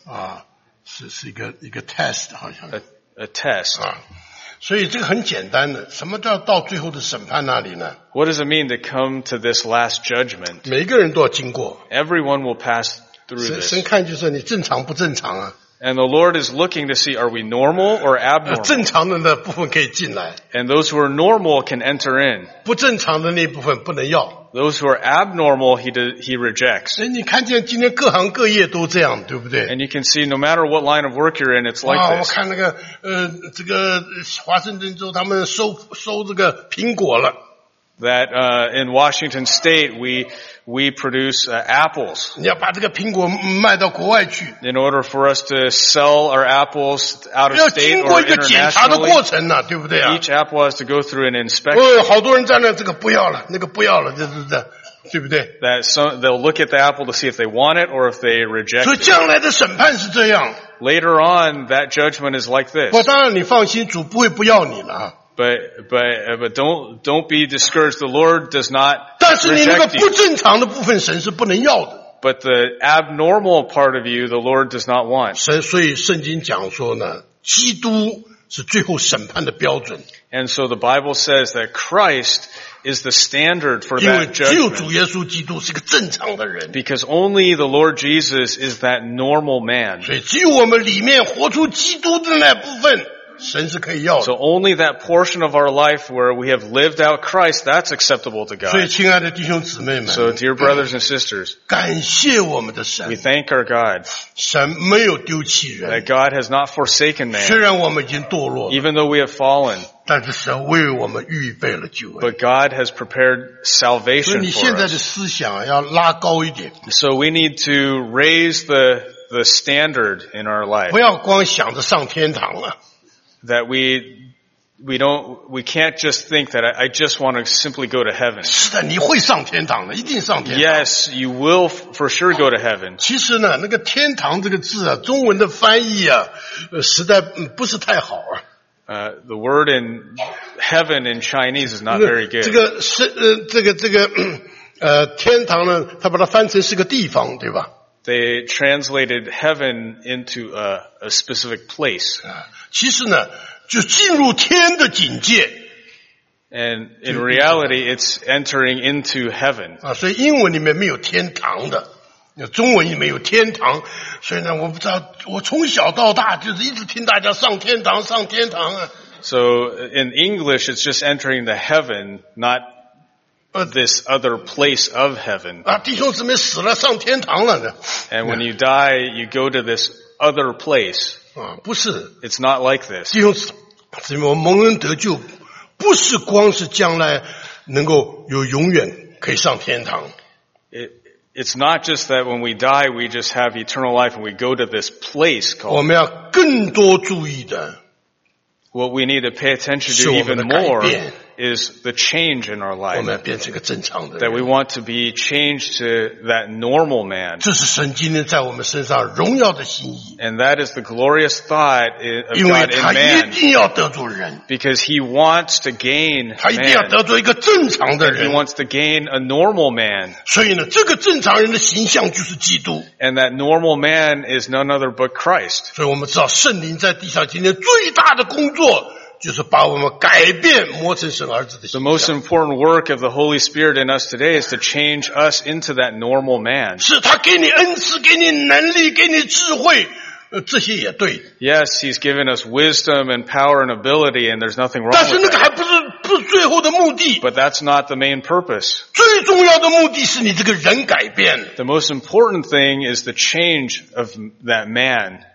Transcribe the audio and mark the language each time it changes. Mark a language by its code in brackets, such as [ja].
[zh] 啊，是一个 [en] test [zh] 好像。 [en] A test. [zh] 啊，所以这个很简单的，什么叫到最后的审判那里呢 [en] ？What does it mean to come to this last judgment? [zh] 每个人都要经过。 [en] Everyone will pass through this. [zh] 神看就是你正常不正常啊。 [en] And the Lord is looking to see, are we normal or abnormal? [zh] 正常的那部分可以进来。 [en] And those who are normal can enter in. [zh] 不正常的那部分不能要。 [en] Those who are abnormal, he rejects. [zh] 所以你看见今天各行各业都这样，对不对 [en] ？And you can see, no matter what line of work you're in, it's like this. [zh] 我看那个这个华盛顿州他们收这个苹果了。 [en] That in Washington State we produce apples. [zh] 你要把这个苹果卖到国外去。 [en] In order for us to sell our apples out of state or internationally. [zh] 要经过一个检查的过程呢、啊，对不对啊 [en] ？Each apple has to go through an inspection. [zh] 好多人在那这个不要了，那个不要了，这对不对 [en] ？That some they'll look at the apple to see if they want it or if they reject it. [zh] 所以将来的审判是这样。 [en] Later on, that judgment is like this. [zh] 不，当然你放心，主不会不要你了。 [en] But don't be discouraged. The Lord does not reject you. [zh] 但是你那个不正常的部分，神是不能要的。 [en] But the abnormal part of you, the Lord does not want. [zh] 所以圣经讲说呢，基督是最后审判的标准。 [en] And so the Bible says that Christ is the standard for that judgment. [zh] 因为只有主耶稣基督是个正常的人。 [en] Because only the Lord Jesus is that normal man. [zh] 所以只有我们里面活出基督的那部分。 [en] So only that portion of our life where we have lived out Christ, that's acceptable to God. [zh] 所以亲爱的弟兄姊妹们 [en] So dear brothers and sisters, [zh] 感谢我们的神 [en] We thank our God. [zh] 神没有丢弃人 [en] That God has not forsaken man. [zh] 虽然我们已经堕落了 [en] Even though we have fallen. [zh] 但是神为我们预备了救恩 [en] But God has prepared salvation for us. [zh] 所以你现在的思想要拉高一点 [en] So we need to raise the standard in our life. [zh] 不要光想着上天堂了 [en] That we can't just think that I just want to simply go to heaven. [zh] 是的，你会上天堂的，一定上天堂。 [en] Yes, you will for sure go to heaven. [zh] 其实呢，那个天堂这个字啊，中文的翻译啊，实在不是太好啊。 [en] The word in heaven in Chinese is not very good. [zh] 这个天堂呢，他把它翻成是个地方，对吧？ [en] They translated heaven into a specific place. [zh] 其实呢，就进入天的境界。 [en] And in reality, it's entering into heaven. [zh] 所以英文里面没有天堂的，中文里面有天堂。所以呢，我不知道，我从小到大就是一直听大家上天堂，上天堂啊。 [en] So in English, it's just entering the heaven, not. This other place of heaven. [zh] 弟兄姊妹死了上天堂了呢。 [en] And when you die, you go to this other place. [zh] 不是。 [en] It's not like this. [zh] 弟兄姊妹，我蒙恩得救，不是光是将来能够有永远可以上天堂。 [en] It's not just that when we die, we just have eternal life and we go to this place called. [zh] 我们要更多注意的。 [en] What we need to pay attention to even more. Is the change in our life that we want to be changed to that normal man? [zh] 这是神今天在我们身上荣耀的心意。 [en] And that is the glorious thought of God in man. [zh] 因为他一定要得着人。 [en] Because he wants to gain man. [zh] 他一定要得着一个正常的人。 [en] He wants to gain a normal man. [zh] 所以呢，这个正常人的形象就是基督。 [en] And that normal man is none other but Christ. [zh] 所以我们知道圣灵在地上今天最大的工作。就是把我们改变磨成神儿子的形象。 [en] The most important work of the Holy Spirit in us today is to change us into that normal man. [zh] 是他给你恩赐，给你能力，给你智慧，这些也对。 [en] Yes, he's given us wisdom and power and ability, and there's nothing wrong. [zh] 但是那个还不是最后的目的。 [en] But that's not the main purpose. [zh] 最重要的目的是你这个人改变。 [en] The most important thing is the change of that man.